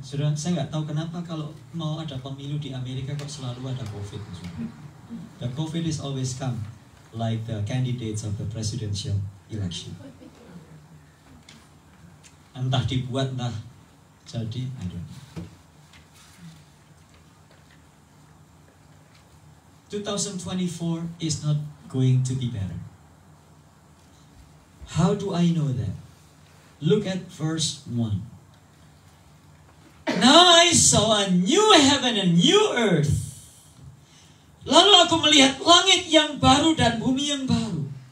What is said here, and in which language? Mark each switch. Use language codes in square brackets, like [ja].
[id] Sudah, saya nggak tahu kenapa kalau mau ada pemilu di Amerika kok selalu ada COVID. [en] The COVID is always come, like the candidates of the presidential election. [id] Entah dibuat, entah jadi, [en] I don't know. 2024 is not going to be better. How do I know that? Look at verse 1. Now I saw a new heaven and new earth. [id] Lalu aku melihat langit yang baru dan bumi yang baru.